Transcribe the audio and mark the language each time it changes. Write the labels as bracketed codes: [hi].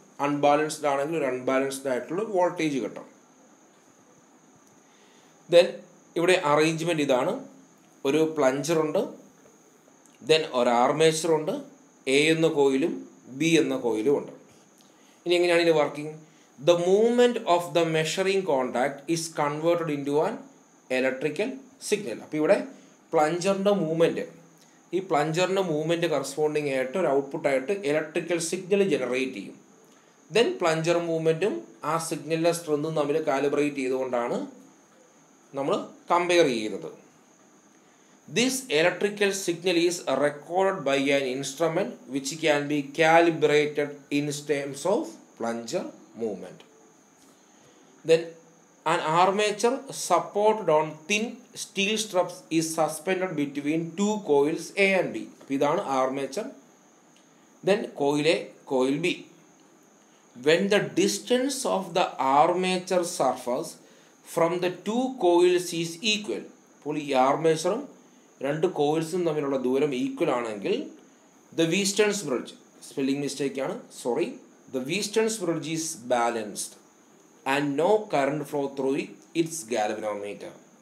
[ml] Unbalanced ആണെങ്കിൽ ഒരു unbalanced ആയിട്ടുള്ള വോൾട്ടേജ് കിട്ടും. ദെൻ ഇവിടെ അറേഞ്ച്മെൻറ്റ് ഇതാണ്. ഒരു പ്ലഞ്ചറുണ്ട്, ദെൻ ഒരു ആർമേച്ചറുണ്ട്, എ എന്ന കോയിലും ബി എന്ന കോയിലും ഉണ്ട്. ഇനി എങ്ങനെയാണ് ഇത് working? [en] The movement of the measuring contact is converted into an electrical signal. [ml] അപ്പോൾ ഇവിടെ പ്ലഞ്ചറിൻ്റെ മൂവ്മെൻറ്റ്, ഈ പ്ലഞ്ചറിൻ്റെ മൂവ്മെൻറ്റ് കറസ്പോണ്ടിങ് ആയിട്ട് ഒരു ഔട്ട്പുട്ടായിട്ട് ഇലക്ട്രിക്കൽ സിഗ്നൽ ജനറേറ്റ് ചെയ്യും. ദെൻ പ്ലഞ്ചർ മൂവ്മെൻറ്റും ആ സിഗ്നലിലെ സ്ട്രെങ്തും തമ്മിൽ കാലിബ്രേറ്റ് ചെയ്തുകൊണ്ടാണ് നമ്മൾ കമ്പയർ ചെയ്യുന്നത്. [en] This electrical signal is recorded by an instrument which can be calibrated in terms of plunger movement. Then an armature supported on thin steel strips is suspended between two coils A and B. [ml] ഇതാണ് armature, then coil A, coil B. [en] When the distance of the armature surface from the two coils is equal. [ml] അപ്പോൾ ഈ ആർമേച്ചറും രണ്ട് കോയിൽസും തമ്മിലുള്ള ദൂരം equal ആണെങ്കിൽ [en] The Wheatstone's bridge, spelling mistake ആണ്, sorry, the Wheatstone's bridge is balanced and no current flow through its galvanometer.